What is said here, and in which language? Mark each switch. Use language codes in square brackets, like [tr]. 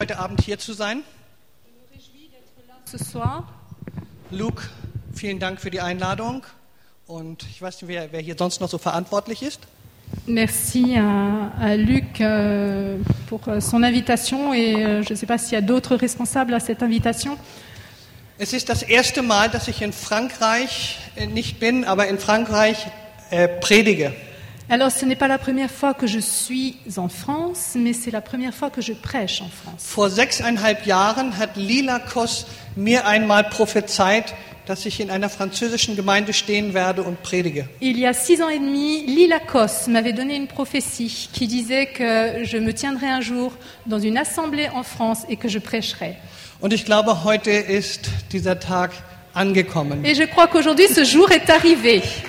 [de] heute Abend hier zu sein. Luke, vielen Dank für die Einladung. Und ich weiß nicht, wer hier sonst noch so verantwortlich ist. [fr] Merci à Luc pour son invitation et je ne sais pas s'il y a d'autres responsables à cette invitation. [de] Es ist das erste Mal, dass ich in Frankreich nicht bin, aber in Frankreich predige. [fr] Alors, ce n'est pas la première fois que je suis en France, mais c'est la première fois que je prêche en France. [de] Vor 6,5 Jahren hat Lila Koss mir einmal prophezeit, dass ich in einer französischen Gemeinde stehen werde und predige. [fr] Il y a 6 ans et demi, Lila Koss m'avait donné une prophétie qui disait que je me tiendrais un jour dans une assemblée en France et que je prêcherais. [de] Und ich glaube, heute ist dieser Tag angekommen. [fr] Et je crois qu'aujourd'hui ce jour est arrivé.